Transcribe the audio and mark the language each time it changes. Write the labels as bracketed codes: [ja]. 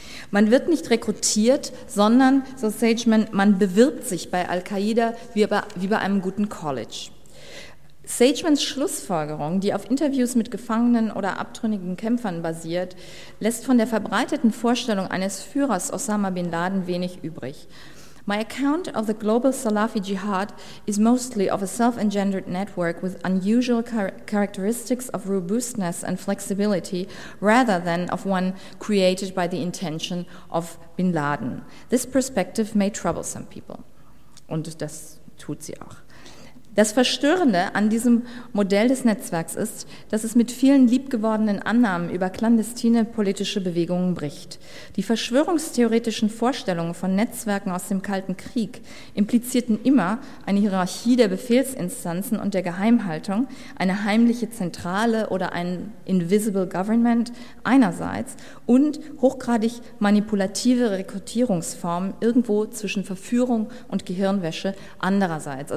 [de] Man wird nicht rekrutiert, sondern, so Sageman, man bewirbt sich bei Al-Qaida wie bei einem guten College. Sagemans Schlussfolgerung, die auf Interviews mit Gefangenen oder abtrünnigen Kämpfern basiert, lässt von der verbreiteten Vorstellung eines Führers Osama bin Laden wenig übrig. [en] My account of the global Salafi jihad is mostly of a self-engendered network with unusual characteristics of robustness and flexibility rather than of one created by the intention of Bin Laden. This perspective may trouble some people. [de] Und das tut sie auch. Das Verstörende an diesem Modell des Netzwerks ist, dass es mit vielen liebgewordenen Annahmen über clandestine politische Bewegungen bricht. Die verschwörungstheoretischen Vorstellungen von Netzwerken aus dem Kalten Krieg implizierten immer eine Hierarchie der Befehlsinstanzen und der Geheimhaltung, eine heimliche Zentrale oder ein Invisible Government einerseits und hochgradig manipulative Rekrutierungsformen irgendwo zwischen Verführung und Gehirnwäsche andererseits.